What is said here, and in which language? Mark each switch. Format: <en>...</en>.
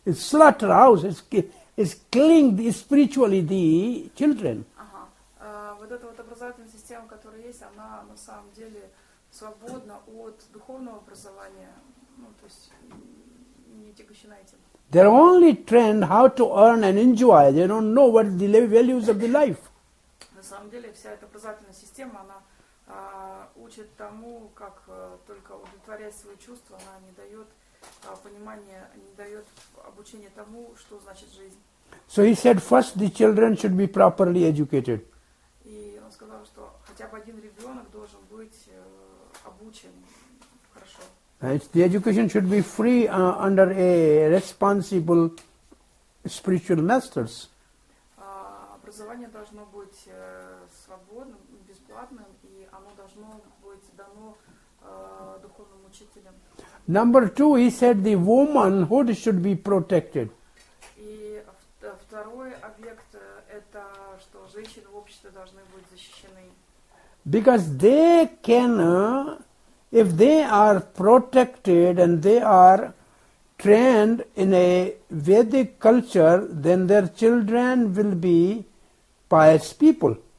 <en>It's slaughterhouse, it's killing spiritually the children.</en> <ru>Вот эта вот образовательная система, которая есть, она на самом деле свободна от духовного образования, ну, то есть не тягощена этим.</ru> <en>They're only trained how to earn and enjoy, they don't know what the values of the life.</en> <ru>На самом деле вся эта образовательная система, она учит тому, как только удовлетворять свои чувства, она не дает понимание, не дает обучение тому, что значит жизнь.</ru> <en>So he said, first the children should be properly educated.</en> <ru>И он сказал, что хотя бы один ребенок должен быть обучен хорошо.</ru> <en>Right? The education should be free under a responsible spiritual masters.</en> <ru>Образование должно быть свободным, бесплатным, и оно должно быть дано духовным учителям.</ru> <en>Number two, he said the womanhood should be protected.</en> <ru>И второй объект это что женщины в обществе должны быть защищены.</ru> <en>Because they can, if they are protected and they are trained in a Vedic culture, then their children will be pious people.</en>